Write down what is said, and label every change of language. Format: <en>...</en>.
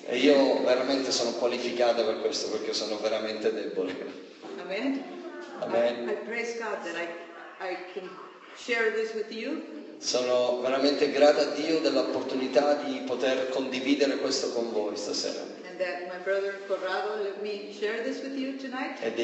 <it>E io veramente sono qualificata per questo, perché sono veramente debole. Amen. Amen.</it> <en>I praise God that I can share this with you.</en> <it>Sono veramente grata a Dio dell'opportunità di poter condividere questo con voi stasera.</it> <en>And that my brother Corrado let me share this with you tonight.</en>